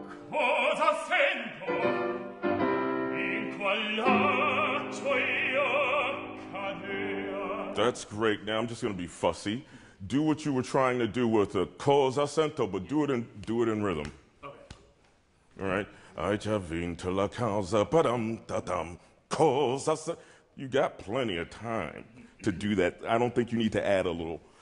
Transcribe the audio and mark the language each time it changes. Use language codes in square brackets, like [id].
[it] Cosa sento in quell'atto io cadea. [en] That's great. Now I'm just going to be fussy. Do what you were trying to do with the [it] cosa sento, [en] but do it in rhythm. Okay. All right. [it] Hai già vinto la causa, padam, tadam, cosa. [en] You got plenty of time to do that. I don't think you need to add a little.